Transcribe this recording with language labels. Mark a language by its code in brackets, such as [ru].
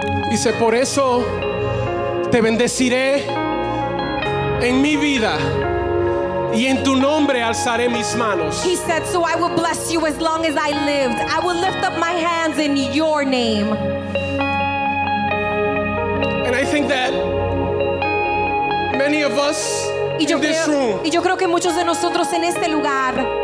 [es] Dice, por eso te bendeciré en mi vida y en tu nombre alzaré mis manos. [en] He said, so I will bless you as long as I lived. I will lift up my hands in your name. And I think that many of us in this room, [es] y yo creo que muchos de nosotros en este lugar,